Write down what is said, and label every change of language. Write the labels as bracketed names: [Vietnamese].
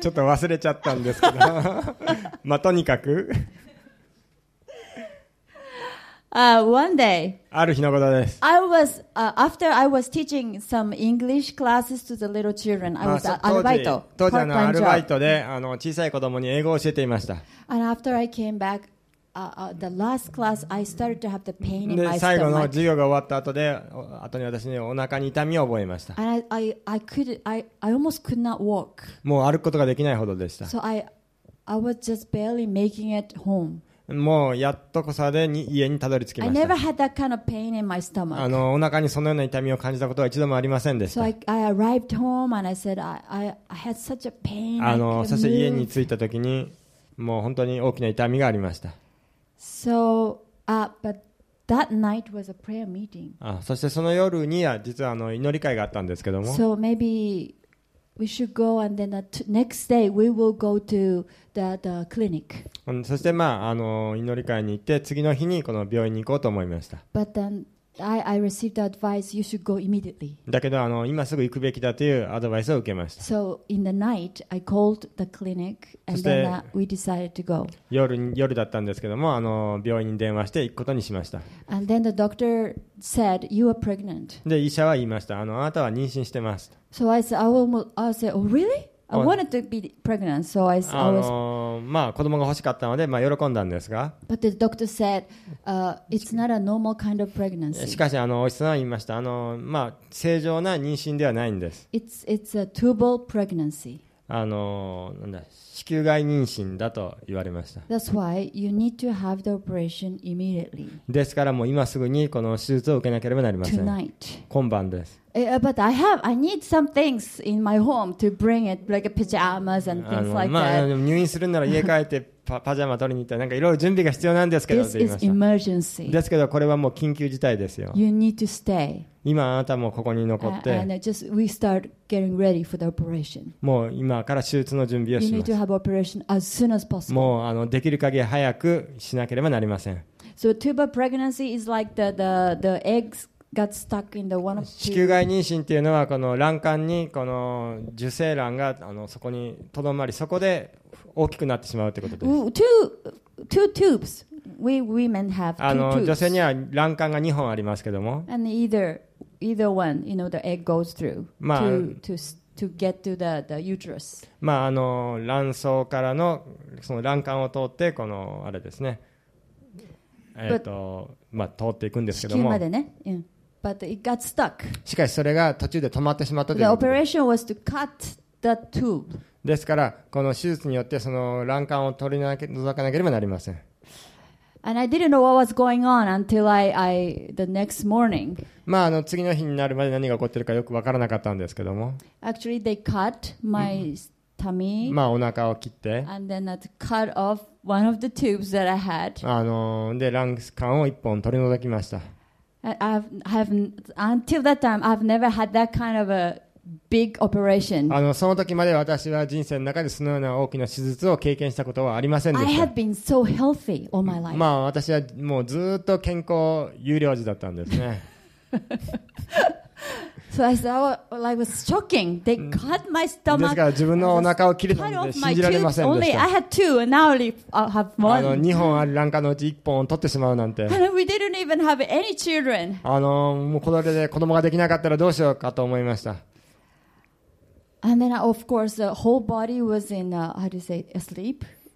[Japanese] ちょっと忘れちゃったんですけど まあとにかく [English] one day, [Japanese] ある日のことです。 [English] I was, after I was teaching some English classes to the little children, I was アルバイト、 [Japanese] 当時アルバイトで小さい子供に英語を教えていました。 [English] And after I came back, the last class, I started to have the pain in my stomach. [Japanese] 最後の授業が終わった後で、後に私にお腹に痛みを覚えました。 [English] And I could, I almost could not walk. [Japanese] もう歩くことができないほどでした。 [English] So I was just barely making it home. [Japanese] もうやっとこさで家にたどり着きました。 [English] I never had that kind of pain in my stomach. [Japanese] お腹にそのような痛みを感じたことは一度もありませんでした。 [English] So I arrived home and I said I had such a pain. [Japanese] そして家に着いた時に、もう本当に大きな痛みがありました。 [English] So, but that night was a prayer meeting. [Japanese] そしてその夜には実は祈り会があったんですけども。 [English] So maybe we should go, and then the next day we will go to the clinic. [Japanese] そしてまあ祈り会に行って次の日にこの病院に行こうと思いました。 [English] But then I received the advice you should go immediately. [Japanese] だけど今すぐ行くべきだというアドバイスを受けました。 [English] So in the night I called the clinic and then we decided to go. [Japanese] 夜だったんですけども病院に電話して行くことにしました。 [English] And then the doctor said you are pregnant. [Japanese] で医者は言いました。あなたは妊娠してます。 [English] So I said oh really? I wanted to be pregnant, so I was. [Japanese] まあ子供が欲しかったので、まあ喜んだんですが。 [English] But the doctor said, it's not a normal kind of pregnancy. [Japanese] しかしお医者さんは言いました。まあ正常な妊娠ではないんです。 [English] It's a tubal pregnancy. [Japanese] なんだ、子宮外妊娠だと言われました。 [English] That's why you need to have the operation immediately. [Japanese] ですからもう今すぐにこの手術を受けなければなりません。 [English] Tonight. [Japanese] 今晩です。 [English] But I need some things in my home to bring it, like pajamas and things like that. [Japanese] まあ、入院するなら家帰ってパジャマ取りに行ったら、なんかいろいろ準備が必要なんですけど、 [English] This is emergency. [Japanese] ですけど、これはもう緊急事態ですよ。 [English] You need to stay. [Japanese] 今、あなたもここに残って、 [English] And just, we start getting ready for the operation. [Japanese] もう今から手術の準備をします。 [English] You need to have operation as soon as possible. [Japanese] もうできる限り早くしなければなりません。 [English] So, tubal pregnancy is like the eggs. Got stuck in the one of the... [Japanese] 子宮外妊娠っていうのはこの卵管にこの受精卵がそこにとどまり、そこで大きくなってしまうということです。 [English] Two tubes. We women have two tubes. [Japanese] 女性には卵管が2本ありますけども。 [English] And either one, you know, the egg goes through to get to the uterus. [Japanese] まあ卵巣からのその卵管を通ってこのあれですね。まあ通っていくんですけども。子宮までね。うん。 [English] But it got stuck. [Japanese] しかしそれが途中で止まってしまったということ [English] で。The operation was to cut the tube. [Japanese] ですからこの手術によってその卵管を取り除かなければなりません。 [English] And I didn't know what was going on until I the next morning. [Japanese] まあ、あの次の日になるまで何が起こってるかよく分からなかったんですけども。 [English] Actually, they cut my tummy. [Japanese] まあ、お腹を切って。 [English] And then that cut off one of the tubes that I had. [Japanese] で、卵管を一本取り除きました。 [English] Until that time, I've never had that kind of a big operation. [Japanese] その時まで私は人生の中でそのような大きな手術を経験したことはありませんでした。 [English] I had been so healthy all my life. [Japanese] まあ、私はもうずっと健康有料児だったんですね。 [English] So I said, I was shocking. They cut my stomach. [Japanese] ですから自分のお腹を切るなんて信じられませんでした。 [English] Only I had two, and now I have one. [Japanese] 2本ある卵管のうち1本を取ってしまうなんて。 [English] And we didn't even have any children. [Japanese] もうこれで子供ができなかったらどうしようかと思いました。 [English] And then, of course, the whole body was in, how do you say, asleep?